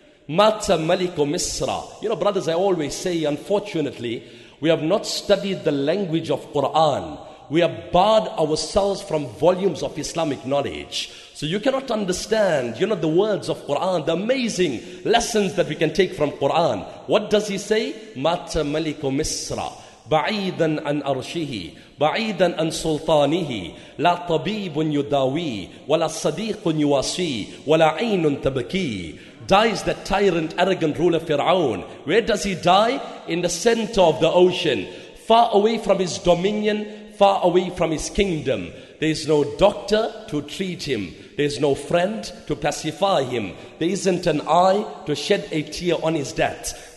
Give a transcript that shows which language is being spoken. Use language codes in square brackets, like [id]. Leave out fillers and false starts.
[ar] Mata maliku Misra. [en] You know, brothers, I always say, unfortunately, we have not studied the language of Quran. We have barred ourselves from volumes of Islamic knowledge. So you cannot understand, you know, the words of Quran, the amazing lessons that we can take from Quran. What does he say? [ar] Mata maliku Misra. بعيداً عن أرشه بعيداً عن سلطانه لا طبيب يداوي ولا صديق يواسي ولا عين تبكي. [en] Dies the tyrant, arrogant ruler Fir'aun. Where does he die? In the center of the ocean, far away from his dominion, far away from his kingdom. There is no doctor to treat him. There is no friend to pacify him. There isn't an eye to shed a tear on his death.